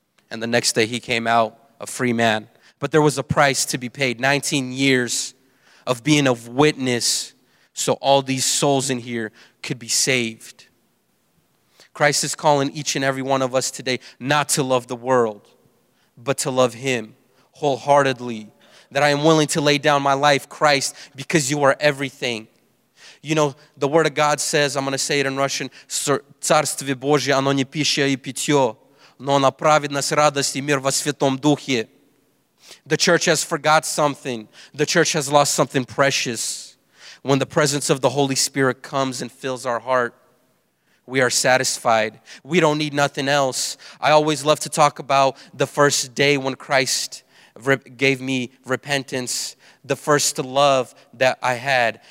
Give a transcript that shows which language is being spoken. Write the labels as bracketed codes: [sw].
[en] And the next day, he came out a free man. But there was a price to be paid, 19 years of being a witness so all these souls in here could be saved. Christ is calling each and every one of us today not to love the world, but to love him wholeheartedly. That I am willing to lay down my life, Christ, because you are everything. You know, the word of God says, I'm going to say it in Russian, [ru] «Царствие Божие, оно не пища и питье, но оно праведность, радость и мир во Святом Духе». [en] The church has forgot something. The church has lost something precious. When the presence of the Holy Spirit comes and fills our heart, we are satisfied. We don't need nothing else. I always love to talk about the first day when Christ gave me repentance, the first love that I had.